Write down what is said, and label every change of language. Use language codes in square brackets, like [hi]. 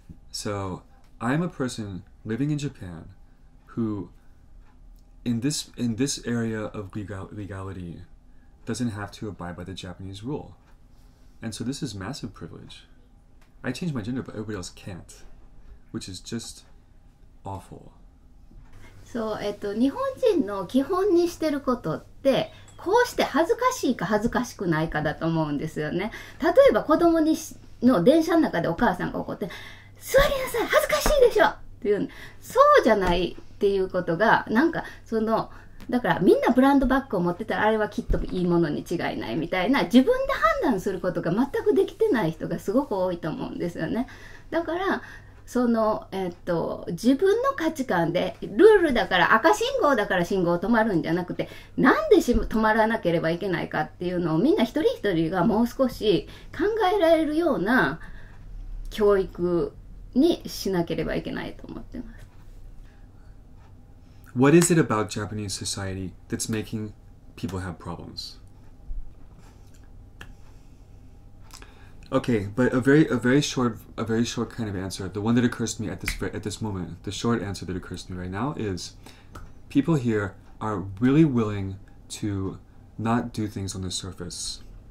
[en] So I'm a person living in Japan who... In this area of legality, doesn't have to abide by the Japanese rule. And so this is massive privilege. I changed my gender, but everybody else can't, which is just awful. [ja] So, 日本人の基本にしてることって、こうして恥ずかしいか恥ずかしくないかだと思うんですよね。例えば子供の電車の中でお母さんが怒って、座りなさい、恥ずかしいでしょっていう、そうじゃない。っていうことが、なんかそのだからみんなブランドバッグを持ってたら、あれはきっといいものに違いないみたいな、自分で判断することが全くできてない人がすごく多いと思うんですよね。だからその自分の価値観で、ルールだから赤信号だから信号止まるんじゃなくて、なんで止まらなければいけないかっていうのを、みんな一人一人がもう少し考えられるような教育にしなければいけないと思ってます。 [en] What is it about Japanese society that's making people have problems? Okay, but a very short kind of answer, the one that occurs to me at this moment, the short answer that occurs to me right now is, people here are really willing to not do things on the surface.